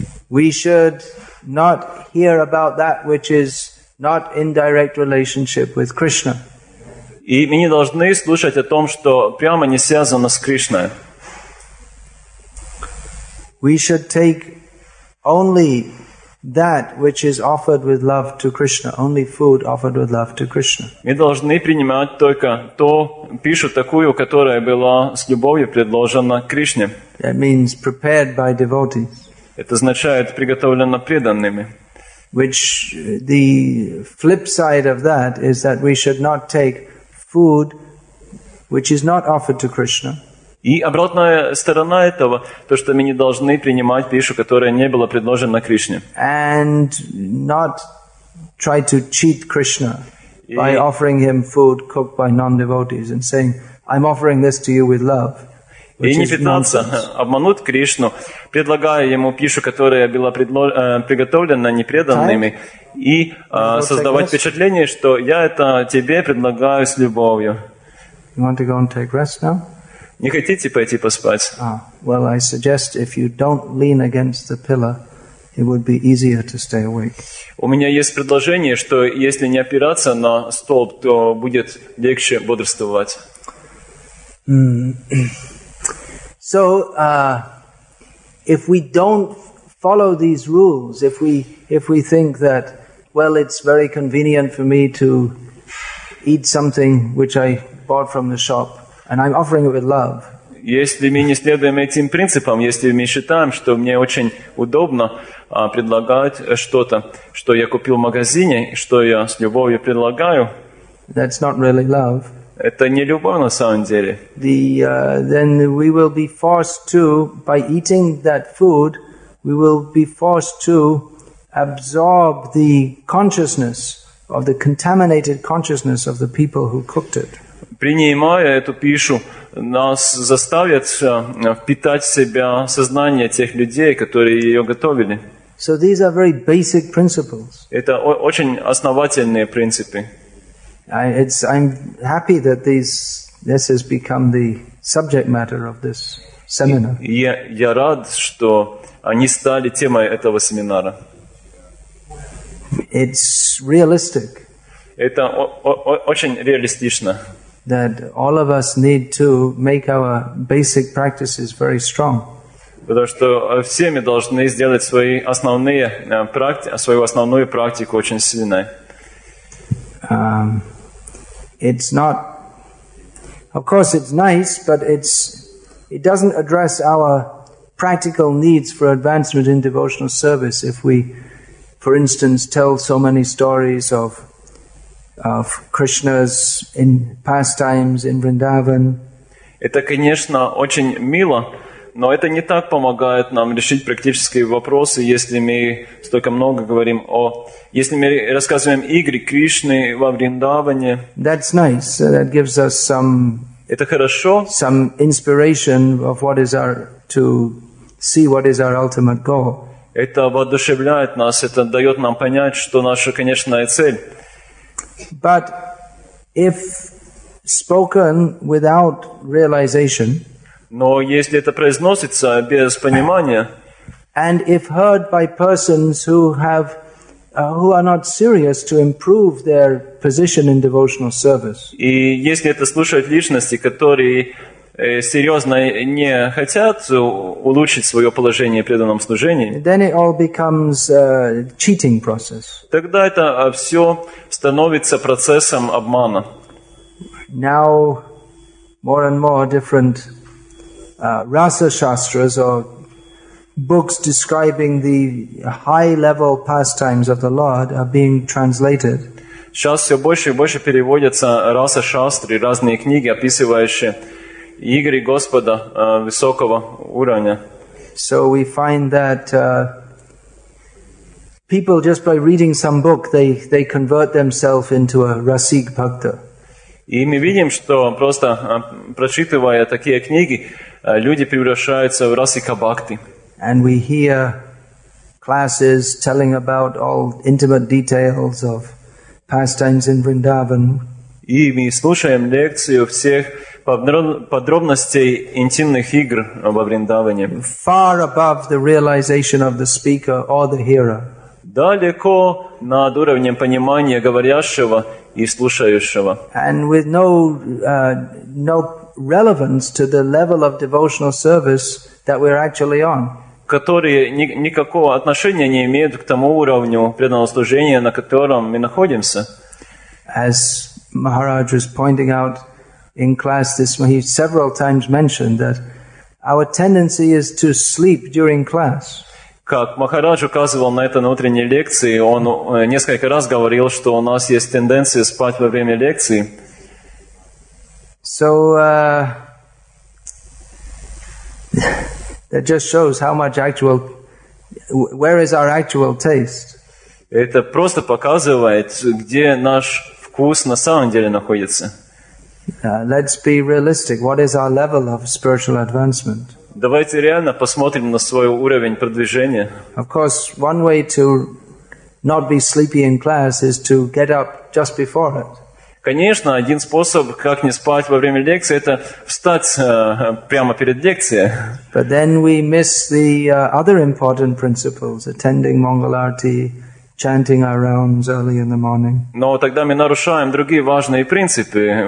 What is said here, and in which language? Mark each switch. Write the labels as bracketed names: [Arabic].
[English] We should not hear about that which is not in direct relationship with Krishna. [Russian] И мы не должны слушать о том, что прямо не связано с Кришной. [English] We should take only that which is offered with love to Krishna, only food offered with love to Krishna. [Russian] Мы должны принимать только ту пищу такую, которая была с любовью предложена Кришне. [English] That means prepared by devotees. [Russian] Это означает приготовлено преданными. [English] Which the flip side of that is that we should not take food which is not offered to Krishna. [Russian] И обратная сторона этого, то, что мы не должны принимать пищу, которая не была предложена Кришне. [English] And not try to cheat Krishna by offering him food cooked by non-devotees and saying, I'm offering this to you with love. [Russian] И не пытаться обмануть Кришну, предлагая ему пищу, которая была приготовлена непреданными, и создавать впечатление, что я это тебе предлагаю с любовью. [English] You want to go and take rest now? [Russian] Не хотите пойти поспать? [English] Well, I suggest if you don't lean against the pillar, it would be easier to stay awake. [Russian] У меня есть предложение, что если не опираться на столб, то будет легче бодрствовать. [English] So, if we don't follow these rules, if we think that, well, it's very convenient for me to eat something which I bought from the shop, and I'm offering it with love. [Russian] Если мы не следуем этим принципам, если мы считаем, что мне очень удобно предлагать что-то, что я купил в магазине, что я с любовью предлагаю, [English] that's not really love. [Russian] Это не любовь на самом деле. [English] Then we will be forced to, by eating that food, we will be forced to absorb the consciousness of the contaminated consciousness of the people who cooked it. [Russian] Принимая эту пищу, нас заставят впитать в себя сознание тех людей, которые ее готовили. [English] So these are very basic principles. [Russian] Это очень основательные принципы. [English] I'm happy that this has become the subject matter of this seminar. [Russian] Я рад, что они стали темой этого семинара. [English] It's realistic. [Russian] Это очень реалистично. [English] That all of us need to make our basic practices very strong. [Russian] Потому что все мы должны сделать свои основные свою основную практику очень сильной. [English] It's not, of course, it's nice, but it doesn't address our practical needs for advancement in devotional service if we, for instance, tell so many stories of Krishna's in pastimes in Vrindavan. [Russian] Это, конечно, очень мило, но это не так помогает нам решить практические вопросы, если мы столько много говорим о, если мы рассказываем игры Кришны во Вриндаване. [English] That's nice. That gives us some. [Russian] Это хорошо. [English] Some inspiration of what is our to see what is our ultimate goal. [Russian] Это воодушевляет нас. Это дает нам понять, что наша конечная цель. [English] But if spoken without realization, [Russian] но если это произносится без понимания, [English] and if heard by persons who are not serious to improve their position in devotional service, [Russian] и если это слушают личности, которые серьезно не хотят улучшить свое положение в преданном служении, [English] then it all becomes a cheating process. [Russian] Тогда это все становится процессом обмана. [English] Now, more and more different rasa shastras or books describing the high-level pastimes of the Lord are being translated. [Russian] Сейчас все больше и больше переводятся раса шастры, разные книги, описывающие игры Господа высокого уровня. [English] So we find that people just by reading some book, they convert themselves into a rasik bhakta. [Russian] И мы видим, что просто прочитывая такие книги, люди превращаются в расика бхакти. [English] And we hear classes telling about all intimate details of pastimes in Vrindavan. [Russian] И мы слушаем лекцию всех подробностей интимных игр во Вриндаване. [English] Far above the realization of the speaker or the hearer. [Russian] Далеко над уровнем понимания говорящего и слушающего. [English] And with no relevance to the level of devotional service that we're actually on. [Russian] Которые никакого отношения не имеют к тому уровню преданного служения, на котором мы находимся. [English] As Maharaj was pointing out in class this morning, he several times mentioned that our tendency is to sleep during class. [Russian] Как Махарадж указывал на это на утренней лекции, он несколько раз говорил, что у нас есть тенденция спать во время лекции. [English] So, That just shows how much actual, where is our actual taste? [Russian] Это просто показывает, где наш вкус на самом деле находится. [English] Let's be realistic. What is our level of spiritual advancement? [Russian] Давайте реально посмотрим на свой уровень продвижения. [English] Of course, one way to not be sleepy in class is to get up just before it. [Russian] Конечно, один способ, как не спать во время лекции, это встать прямо перед лекцией. [English] But then we miss the other important principles: attending Mangala Arati, chanting our rounds early in the morning. [Russian] Но тогда мы нарушаем другие важные принципы.